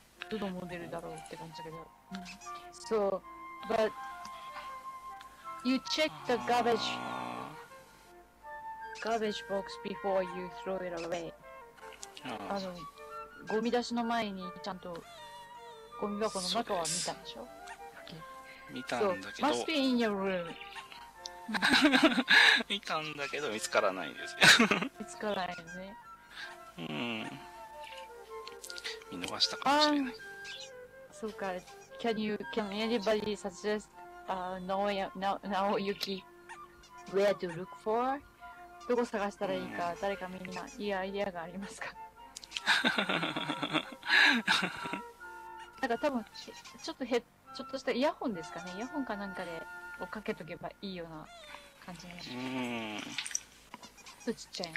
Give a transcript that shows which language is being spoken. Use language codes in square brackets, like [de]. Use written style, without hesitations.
[en] So, but you check the garbage box before you throw it away. [ja] ゴミ出しの前にちゃんとゴミ箱の中は見たんでしょ？見たんだけど。 [en] So, must be in your room. [ja] 見たんだけど見つからないんですよ。見つからないね。見逃したかもしれない。そうか。 [en] Can anybody suggest now Yuki where to look for? [ja] どこ探したらいいか、誰かみんないいアイデアがありますか？なんか多分ちょっとしたイヤホンですかね、イヤホンかなんかでをかけとけばいいような感じになります。ちっちゃいの、